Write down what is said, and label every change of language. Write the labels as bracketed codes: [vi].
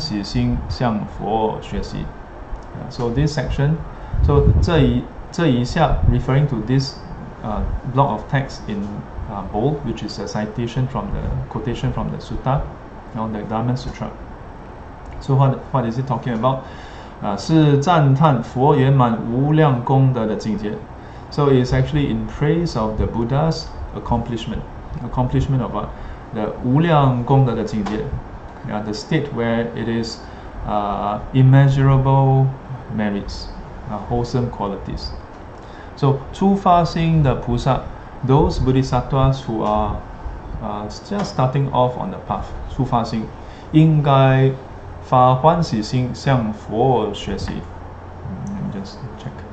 [zh] 这一下是赞叹这个佛圆满无量功德的境界，初发心的菩萨应该发欢喜心向佛学习。 [en] So this section, so [zh] 这一下 [en] referring to this block of text in bold, which is a citation from the quotation from the Sutta, the Dharma Sutra. So what is it talking about? [zh] 是赞叹佛圆满无量功德的境界. [en] So it's actually in praise of the Buddha's accomplishment. Accomplishment of what? The [zh] 无量功德的境界. [en] Yeah, the state where it is immeasurable merits, wholesome qualities. So [zh] 初发心的菩萨, [en] those bodhisattvas who are just starting off on the path, [zh] 初发心, 应该 发欢喜心向佛学习. [en] Let me just check.